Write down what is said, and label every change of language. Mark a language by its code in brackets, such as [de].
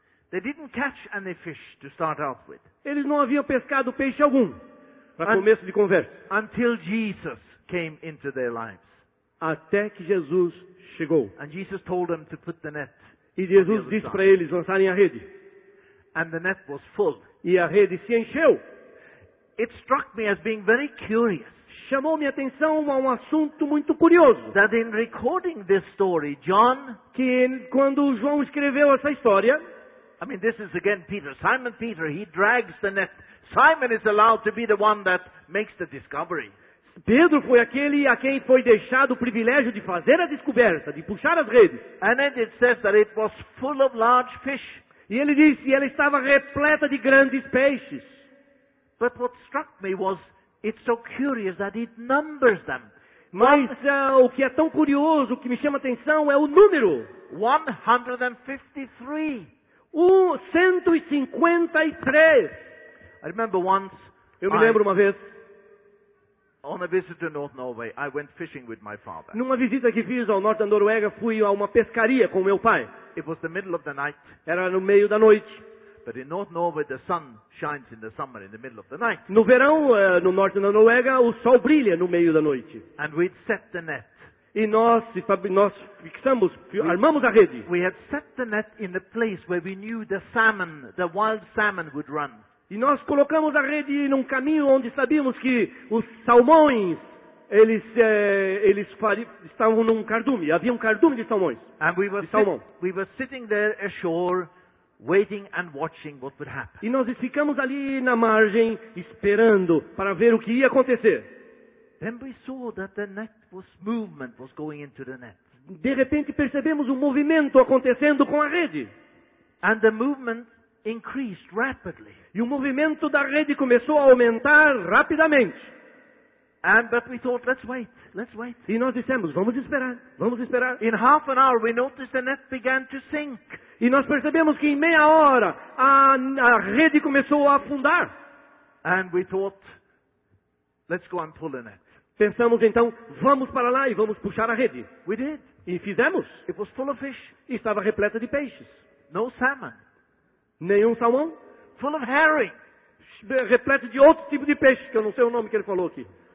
[en] they didn't catch any fish to start out with. [pt] Eles não haviam pescado peixe algum para começo de conversa. [en] Until Jesus came into their lives. [pt] Até que Jesus chegou. [en] And Jesus told them to put the net. [pt] E Jesus disse para eles lançarem a rede. [en] And the net was full. [pt] E a rede se encheu. [en] It struck me as being very curious. [pt] Chamou minha atenção a um assunto muito curioso. [en] That in recording this story, John, [pt] que quando João escreveu essa história, [en] I mean, this is again Peter. Simon Peter, he drags the net. Simon is allowed to be the one that makes the discovery. [pt] Pedro foi aquele a quem foi deixado o privilégio de fazer a descoberta, de puxar as redes. [en] And then it says that it was full of large fish. [pt] E ele disse, ela estava repleta de grandes peixes. [en] But what struck me was it's so curious that it numbers them. [pt] Mas o que é tão curioso, o que me chama atenção, é o número. [en] 153. I remember once. [pt] Eu me lembro uma vez. [en] On a visit to North Norway, I went fishing with my father. [pt] Numa visita que fiz ao norte da Noruega, fui a uma pescaria com meu pai. [en] It was the middle of the night. [pt] Era no meio da noite. [en] But in North Norway, the sun shines in the summer, in the middle of the night. [pt] No verão, no norte da Noruega, o sol brilha no meio da noite. [en] And we'd set the net. [pt] E nós fixamos, armamos a rede. [en] We had set the net in a place where we knew the salmon, the wild salmon, would run. [pt] E nós colocamos a rede num caminho onde sabíamos que os salmões, eles estavam num cardume, havia um cardume de salmões. [en] And we were sitting there ashore, waiting and watching what would happen. [pt] E nós ficamos ali na margem esperando para ver o que ia acontecer. [en] Then we saw that the net was movement was going into the net. [pt] De repente percebemos um movimento acontecendo com a rede. [en] And the movement increased rapidly. [pt] E o movimento da rede começou a aumentar rapidamente. [en] But we thought, let's wait. [pt] E nós dissemos, vamos esperar. [en] In half an hour, we noticed the net began to sink. [pt] E nós percebemos que em meia hora a rede começou a afundar. [en] And we thought, let's go and pull the net. [pt] Pensamos então, vamos para lá e vamos puxar a rede. [en] We did. [pt] E fizemos. [en] It was full of fish. [pt] E estava repleta de peixes. [en] No salmon. [pt] Nenhum salmão. [en] Full of herring. [pt] Repleto de outro tipo de peixe, que eu não sei o nome que ele falou aqui.